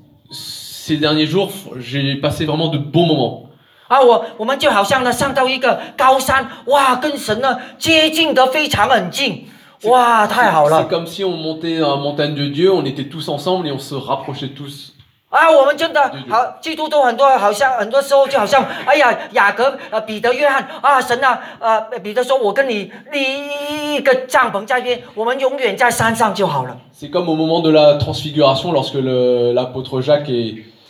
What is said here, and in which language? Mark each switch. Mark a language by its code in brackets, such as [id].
[fr] Ces derniers jours, j'ai passé vraiment de bons moments. [zh] 啊，我们就好像呢上到一个高山，哇，跟神呢接近得非常很近，哇，太好了。 [fr] C'est comme si on montait à la montagne de Dieu, on était tous ensemble et on se rapprochait tous. [zh] 啊，我们真的好，基督徒很多，好像很多时候就好像，哎呀，雅各、彼得、约翰，啊，神啊，彼得说，我跟你立一个帐篷在这边，我们永远在山上就好了。 [fr] C'est comme au moment de la transfiguration, lorsque le, l'apôtre Jacques et,